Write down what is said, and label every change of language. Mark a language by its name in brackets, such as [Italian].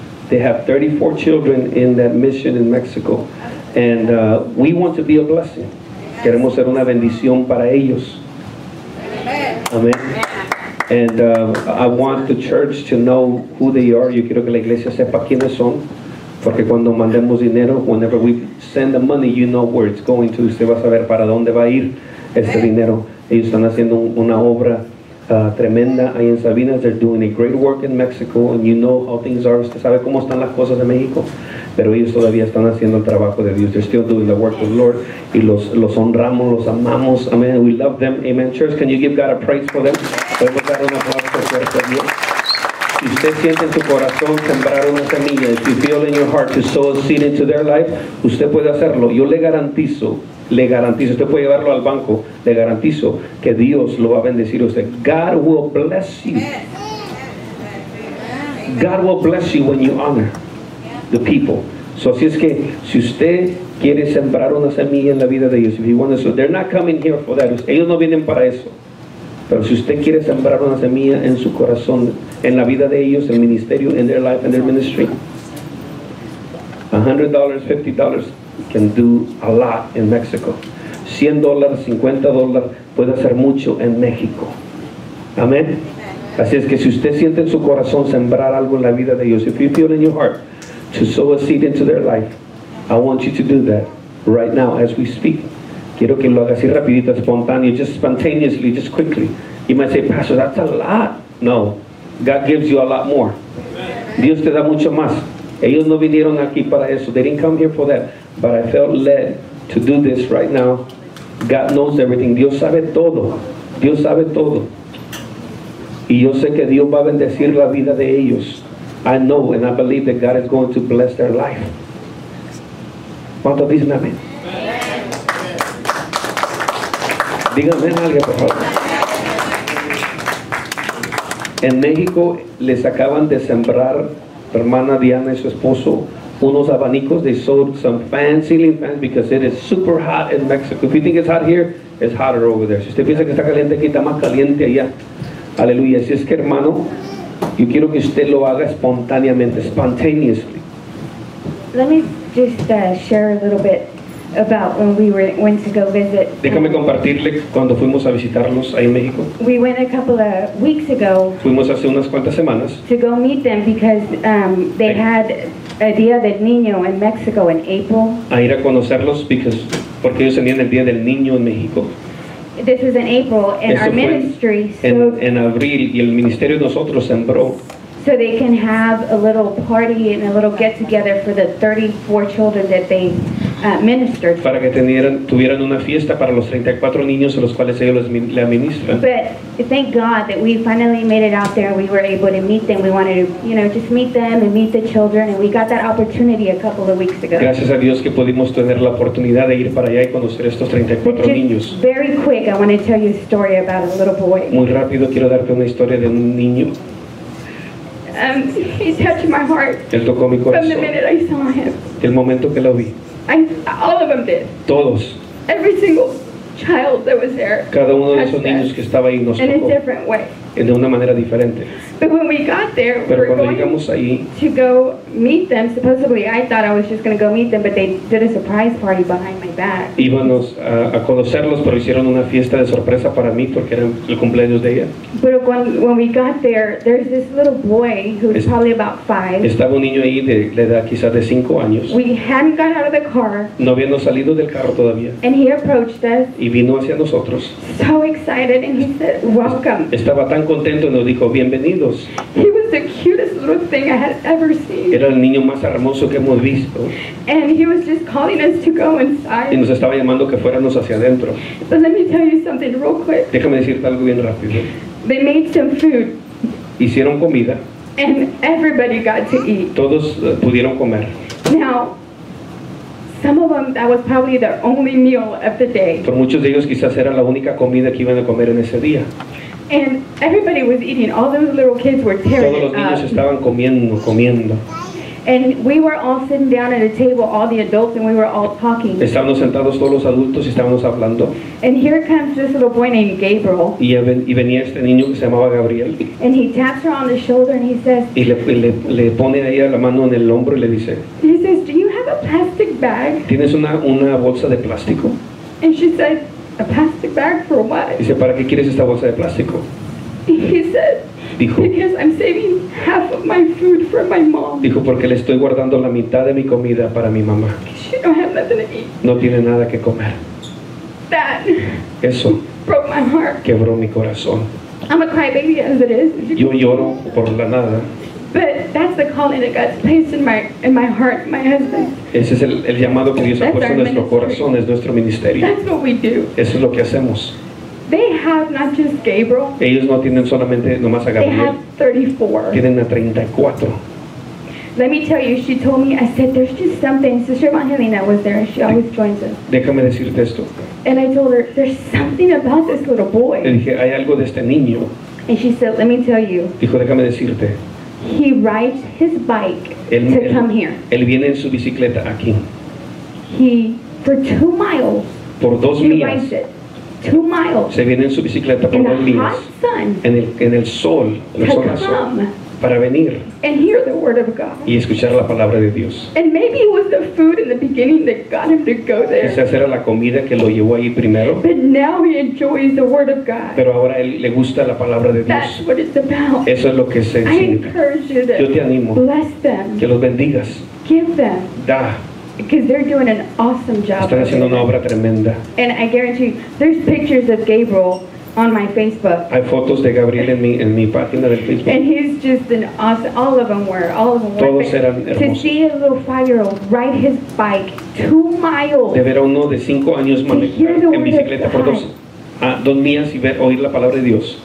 [English] They have 34 children in that mission in Mexico, and we want to be a blessing. [Spanish] Queremos ser una bendición para ellos. Amén. [English] And I want the church to know who they are. [Spanish] Yo quiero que la iglesia sepa quiénes son. Porque cuando mandemos dinero, [English] whenever we send the money, you know where it's going to. [Spanish] Usted va a saber para dónde va a ir este dinero. Ellos están haciendo una obra tremenda ahí en Sabinas. [English] They're doing a great work in Mexico. And you know how things are. [Spanish] Usted sabe cómo están las cosas en México. Pero ellos todavía están haciendo el trabajo de Dios. [English] They're still doing the work of the Lord. [Spanish] Y los honramos, los amamos. Amen. [English] We love them. [Spanish] Amen. [English] Church, can you give God a praise for them? [Spanish] Podemos dar un aplauso fuerte a Dios. Si usted siente en su corazón sembrar una semilla, [English] if you feel in your heart to sow a seed into their life, [Spanish] usted puede hacerlo. Yo le garantizo, usted puede llevarlo al banco, le garantizo que Dios lo va a bendecir a usted. [English] God will bless you. God will bless you when you honor the people. [Spanish] So si es que si usted quiere sembrar una semilla en la vida de ellos, [English] if you want to, they're not coming here for that. [Spanish] Ellos no vienen para eso. Pero si usted quiere sembrar una semilla en su corazón, en la vida de ellos, el ministerio, [English] in their life, in their ministry, $100, $50 can do a lot in Mexico. [Spanish] $100, $50 puede hacer mucho en México. Amén. Así es que si usted siente en su corazón sembrar algo en la vida de ellos, [English] if you feel in your heart to sow a seed into their life, I want you to do that right now as we speak. [Spanish] Quiero que lo haga así rapidito, espontáneo, [English] just spontaneously, just quickly. You might say, Pastor, that's a lot. No, God gives you a lot more. [Spanish] Dios te da mucho más. Ellos no vinieron aquí para eso. [English] They didn't come here for that. But I felt led to do this right now. God knows everything. [Spanish] Dios sabe todo. Dios sabe todo. Y yo sé que Dios va a bendecir la vida de ellos. [English] I know and I believe that God is going to bless their life. [Spanish] ¿Cuántos dicen amén? Díganme a alguien, por favor. En México les acaban de sembrar, hermana Diana y su esposo, unos abanicos. [English] They sold some fan, ceiling fans, because it is super hot in Mexico. If you think it's hot here, it's hotter over there. [Spanish] Si usted piensa que está caliente aquí, está más caliente allá. Aleluya. Si es que, hermano, yo quiero que usted lo haga espontáneamente, spontaneously. [English] Let me just share a little bit about when we went to go visit. [Spanish] Déjame compartirle cuando fuimos a visitarlos ahí en México. [English] We went a couple of weeks ago. [Spanish] Fuimos hace unas cuantas semanas. [English] To go meet them because they had a Día del Niño in Mexico in April. [Spanish] A ir a conocerlos because porque ellos tenían el Día del Niño en México. [English] This was in April and [Spanish] eso [English] our ministry [Spanish] en abril y el ministerio de nosotros sembró. [English] So they can have a little party and a little get together for the 34 children that they ministered. [Spanish] Para que tuvieran una fiesta para los 34 niños a los cuales ellos le administran. [English] But thank God that we finally made it out there and we were able to meet them. We wanted to, you know, just meet them and meet the children, and we got that opportunity a couple of weeks ago. [Spanish] Gracias a Dios que pudimos tener la oportunidad de ir para allá y conocer estos 34 niños. [English] Very quick, I want to tell you a story about a little boy. [Spanish] Muy rápido quiero darte una historia de un niño. [English] He touched my heart. From the minute I saw him. [Spanish] El momento que lo vi. [English] All of them did. [Spanish] Todos. [English] Every single child that was there. [Spanish] Cada uno de esos niños que estaba ahí nos tocó. [English] In a different way. [Spanish] De una manera diferente. [English] But when we got there, [Spanish] pero cuando llegamos ahí, [English] to go meet them, supposedly I thought I was just going to go meet them, but they did a surprise party behind my back. [Spanish] Íbamos a conocerlos, pero hicieron una fiesta de sorpresa para mí porque era el cumpleaños de ella. [English] But when we got there, there's this little boy who's probably about 5. [Spanish] Estaba un niño ahí de la edad quizás de 5 años. [English] We hadn't got out of the car. [Spanish] No habíamos salido del carro todavía. [English] And he approached us. [Spanish] Y vino hacia nosotros. [English] So excited, and he said, "Welcome." [Spanish] Estaba tan contento y nos dijo bienvenidos. [English] He was the cutest little thing I had ever seen. [Spanish] Era el niño más hermoso que hemos visto. [English] And he was just calling us to go inside. [Spanish] Y nos estaba llamando que fuéramos hacia adentro. [English] But let me tell you something real quick. [Spanish] Déjame decirte algo bien rápido. [English] They made some food. [Spanish] Hicieron comida. [English] And everybody got to eat. [Spanish] Todos pudieron comer. [English] Now, some of them, that was probably their only meal of the day. [Spanish] Por muchos de ellos quizás era la única comida que iban a comer en ese día. [English] And everybody was eating. All those little kids were tearing [Spanish] todos los niños [English] up. [Spanish] Estaban comiendo. [English] And we were all sitting down at a table, all the adults, and we were all talking. [Spanish] Estábamos sentados todos los adultos y estábamos hablando. [English] And here comes this little boy named Gabriel. [Spanish] Y venía este niño que se llamaba Gabriel. [English] And he taps her on the shoulder and he says. [Spanish] Y le pone ahí la mano en el hombro y le dice. [English] He says, "Do you have a plastic bag?" [Spanish] ¿Tienes una bolsa de plástico? [English] And she said, "A plastic bag for what?" [Spanish] Dice, ¿para qué quieres esta bolsa de plástico? [English] He said, [Spanish] dijo, [English] "Because I'm saving half of my food for my mom." [Spanish] Dijo, porque le estoy guardando la mitad de mi comida para mi mamá. [English] She don't have nothing to eat. [Spanish] No tiene nada que comer. [English] That. [Spanish] Eso. [English] Broke my heart. [Spanish] Quebró mi corazón. [English] I'm a crybaby as it is. [Spanish] Yo lloro por la nada. [English] But that's the calling that God's placed in my heart, my husband. [Spanish] Ese es el llamado que Dios ha puesto en nuestro corazón, es nuestro ministerio. [English] That's what we do. [Spanish] Eso es lo que hacemos. [English] They have not just Gabriel. [Spanish] Ellos no tienen solamente nomás a Gabriel. [English] They have 34. [Spanish] Tienen a 34. [English] Let me tell you, she told me, I said, "There's just something." Sister Evangelina was there. She always joins us. [Spanish] Déjame decirte esto. [English] And I told her, "There's something about this little boy." [Spanish] Le dije, hay algo de este niño. [English] And she said, "Let me tell you." [Spanish] Dijo, déjame decirte. [English] He rides his bike come here. [Spanish] Él viene en su bicicleta aquí. [English] He, for 2 miles. [Spanish] Por 2 millas. [English] He rides it. 2 miles. [Spanish] Se viene en su bicicleta por 2 millas. [English] In the hot sun. [Spanish] En el sol. [English] To come. [Spanish] para venir [English] and hear the word of God. [Spanish] Y escuchar la palabra de Dios. [English] And maybe it was the food in the beginning that got him to go there. [Spanish] Quizás era la comida que lo llevó ahí primero. [English] But now he enjoys the word of God. [Spanish] Pero ahora él le gusta la palabra de Dios. [English] That's what it's about. [Spanish] Eso es lo que se [English] I encourage you to [Spanish] Yo te animo. [English] Bless them. [Spanish] Que los bendigas. [English] Give them. [Spanish] Da. [English] Because they're doing an awesome job. [Spanish] Están haciendo una obra tremenda. [English] And I guarantee you, there's pictures of Gabriel on my Facebook. [Spanish] Hay fotos de Gabriel en mi página de Facebook. [English] And he's just an awesome. All of them were. All of them [Spanish] Todos Todos eran hermosos. [English] To see a little five-year-old ride his bike 2 miles. [Spanish] De ver a uno de 5 años manejar en bicicleta por dos. Dos millas y ver oír la palabra de Dios.